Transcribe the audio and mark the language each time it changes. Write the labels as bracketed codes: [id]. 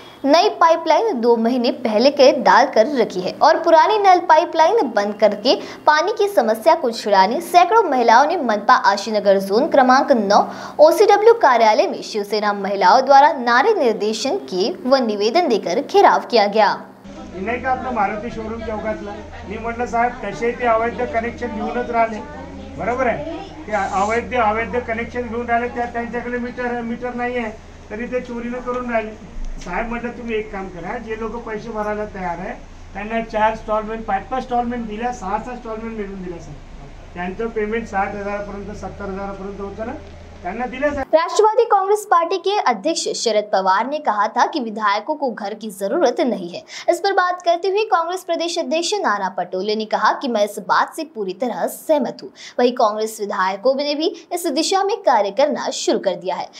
[hi] नई पाइपलाइन 2 महीने पहले के डाल कर रखी है और पुरानी नल पाइपलाइन बंद करके पानी की समस्या को छुड़ाने सैकड़ों महिलाओं ने मनपा आशीनगर जोन क्रमांक 9 OCW कार्यालय में शिवसेना महिलाओं द्वारा नारे निर्देशन किए व निवेदन देकर घेराव किया गया। [mr] मारुति शोरूम चौकतला साहब तसे ते अवैध कनेक्शन घेऊनच राहिले बरोबर आहे अवैध अवैध कनेक्शन घेऊन राहिले त्यांच्याकडे मीटर नाही आहे तरी ते चोरीने करून राहिले साहेब म्हटलं तुम्ही एक काम करा जे लोक पैसे भरायला तयार आहे त्यांना 4 इंस्टॉलमेंट 5 इंस्टॉलमेंट दिल्या 6 इंस्टॉलमेंट मिळून दिल्या सर त्यांचं पेमेंट 60,000 पर्यंत 70,000 पर्यंत होतं ना। [hi] राष्ट्रवादी कांग्रेस पार्टी के अध्यक्ष शरद पवार ने कहा था कि विधायकों को घर की जरूरत नहीं है। इस पर बात करते हुए कांग्रेस प्रदेश अध्यक्ष नाना पटोले ने कहा कि मैं इस बात से पूरी तरह सहमत हूं। वहीं कांग्रेस विधायकों ने भी इस दिशा में कार्य करना शुरू कर दिया है।